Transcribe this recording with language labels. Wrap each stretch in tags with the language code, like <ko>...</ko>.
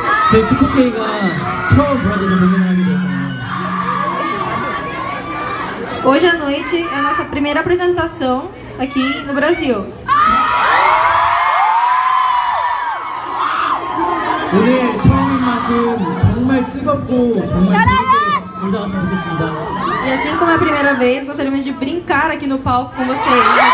<ko>So, 2K가 처음 브라질에서 공연을 하게 되었잖아요.</ko> <pt>Hoje à noite é nossa primeira apresentação aqui no Brasil.</pt> <ko>오늘 처음인 만큼 정말 뜨겁고 정말 재밌게 놀다 왔으면 좋겠습니다.</ko> <pt>E assim como é a primeira vez, gostaríamos de brincar aqui no palco com vocês.</pt>